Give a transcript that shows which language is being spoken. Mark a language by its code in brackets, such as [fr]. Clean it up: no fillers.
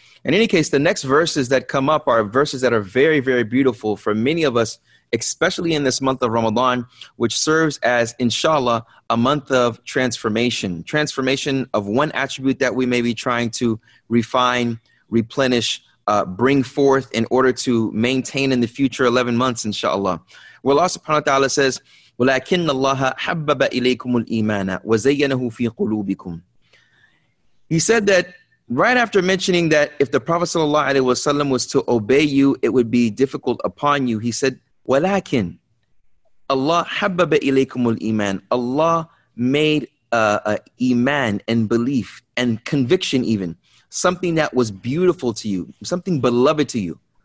[en] In any case, the next verses that come up are verses that are very, very beautiful for many of us, especially in this month of Ramadan, which serves as, inshallah, a month of transformation. Transformation of one attribute that we may be trying to refine, replenish, bring forth in order to maintain in the future 11 months, inshallah. Well, Allah subhanahu wa ta'ala says, [ar] وَلَكِنَّ اللَّهَ حَبَّبَ إِلَيْكُمُ الْإِيمَانَ وَزَيَّنَهُ فِي قُلُوبِكُمْ. [en] He said that right after mentioning that if the Prophet sallallahu alaihi wasallam was to obey you, it would be difficult upon you. He said, [ar] walakin Allah habbaba ilaykumul iman. [en] Allah made a iman and belief and conviction, even something that was beautiful to you, something beloved to you.